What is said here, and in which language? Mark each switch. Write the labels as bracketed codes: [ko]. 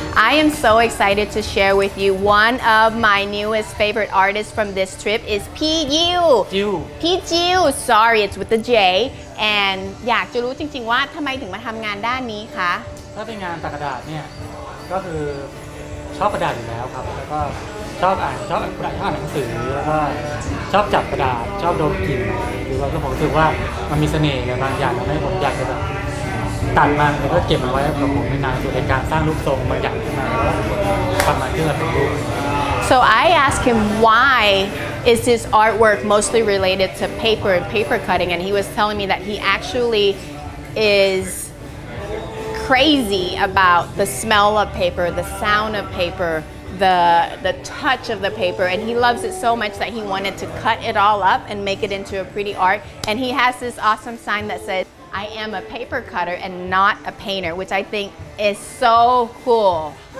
[en] I am so excited to share with you one of my newest favorite artists from this trip is P. Yu. Sorry, it's with the J. [th] And อยากจะรู้จริงๆว่าทำไมถึงมาทำงานด้านนี้คะ ถ้าเป็นงานตัดกระดาษเนี่ยก็คือชอบกระดาษอยู่แล้วครับแล้วก็ชอบอ่านชอบกระดาษอ่านหนังสือแล้วก็ชอบจับกระดาษชอบดมกลิ่นหรือว่าผมรู้สึกว่ามันมีเสน่ห์อะไรบางอย่างทำให้ผมอยากจะตัดมันแล้วก็เก็บมันไว้กับผมในนานสุดในการสร้างรูปทรงบางอย่างขึ้นมาทำมาเพื่อเป็นรูป [en] So I asked him why is this artwork mostly related to paper and paper cutting and he was telling me that he actually is crazy about the smell of paper, the sound of paper, the touch of the paper and he loves it so much that he wanted to cut it all up and make it into a pretty art and he has this awesome sign that says I am a paper cutter and not a painter, which I think is so cool.